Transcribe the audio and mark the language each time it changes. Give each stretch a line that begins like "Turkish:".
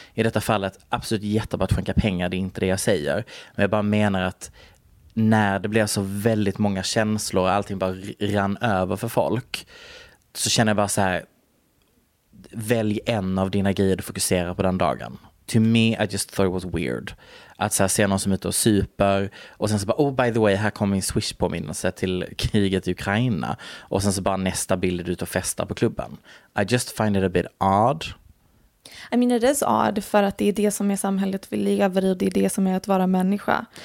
Swedish: I detta fallet absolut jättebra att skänka pengar, det är inte det jag säger. Men jag bara menar att när det blir så väldigt många känslor och allting bara rann över för folk, så känner jag bara så här, välj en av dina grejer du fokuserar på den dagen.
English: To me, I just thought it was weird.
Swedish: Att så här, se någon som är ute och super och sen så bara,
English: oh by the way,
Swedish: här kommer min Swish-påminnelse till kriget i Ukraina. Och sen så bara nästa bild är ute och festa på klubben.
English: I just find it a bit odd. I mean, it is odd
Swedish: för att det är det som är samhället vi lever i, det är det som är att vara människa.